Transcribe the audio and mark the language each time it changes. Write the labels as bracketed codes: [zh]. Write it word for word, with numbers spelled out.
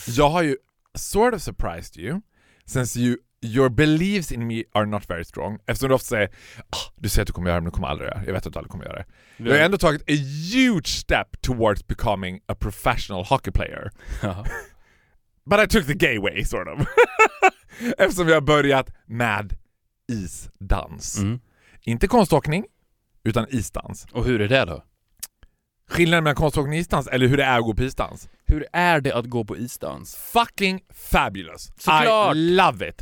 [sv] Jag har ju [en] sort of surprised you since you, your beliefs in me are not very strong. [sv] Eftersom du ofta säger, ah, du säger att du kommer göra det, men du kommer aldrig göra det. Jag vet att du aldrig kommer göra det. Du har ändå tagit [en] a huge step towards becoming a professional hockey player. Uh-huh. But I took the gay way, sort of. [sv] Eftersom jag har börjat med isdans. Mm. Inte konståkning, utan isdans. Och hur är det då? Skillnaden mellan konståkning och isdans, eller hur det är att gå på isdans? Hur är det att gå på isdans? [en] Fucking fabulous. [sv] Såklart. [en] I love it.